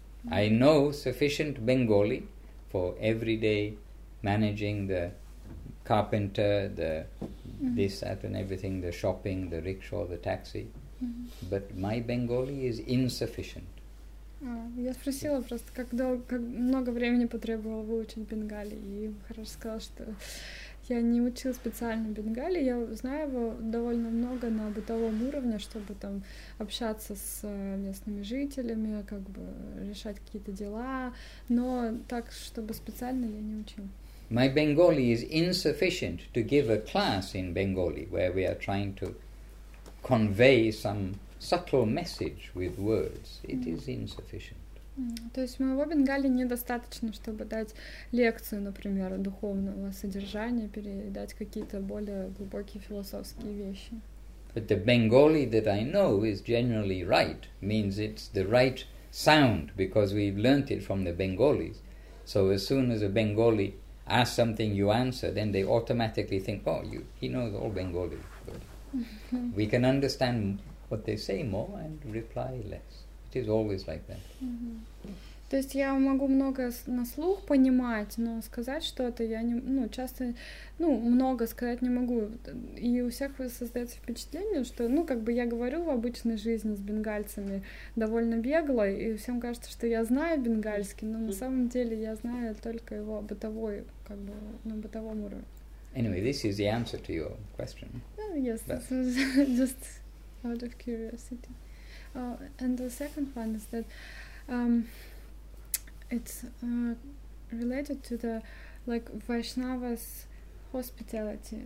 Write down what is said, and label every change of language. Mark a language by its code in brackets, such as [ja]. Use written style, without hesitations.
[en] I know sufficient Bengali for everyday managing the carpenter, the this, that and everything, the shopping, the rickshaw, the taxi. Mm-hmm. But my Bengali is insufficient. [ru] Я спросила просто, как долго, как много времени потребовало выучить бенгали, и хорошо сказала, что я не учила специально бенгали, я знаю его довольно много на бытовом уровне, чтобы там общаться с местными жителями, как бы решать какие-то дела, но так, чтобы специально, я не учила. [en] My Bengali is insufficient to give a class in Bengali, where we are trying to convey some subtle message with words. It is insufficient. [ru] То есть моего бенгали недостаточно, чтобы дать лекцию, например, духовного содержания, передать какие-то более глубокие философские вещи. [en] But the Bengali that I know is generally right, means it's the right sound, because we've learnt it from the Bengalis. So as soon as a Bengali asks something, you answer, then they automatically think, oh, he knows all Bengali. We can understand what they say more and reply less. It is always like that. [ru] То есть я могу много на слух понимать, но сказать что-то я не, ну, часто, ну, много сказать не могу. И у всех создается впечатление, что, ну, как бы я говорю в обычной жизни с бенгальцами довольно бегло, и всем кажется, что я знаю бенгальский, но на самом деле я знаю только его бытовой, как бы, на бытовом уровне. [en] Anyway, this is the answer to your question. Yes, this is just out of curiosity. And the second one is that it's related to the, like, Vaishnava's hospitality.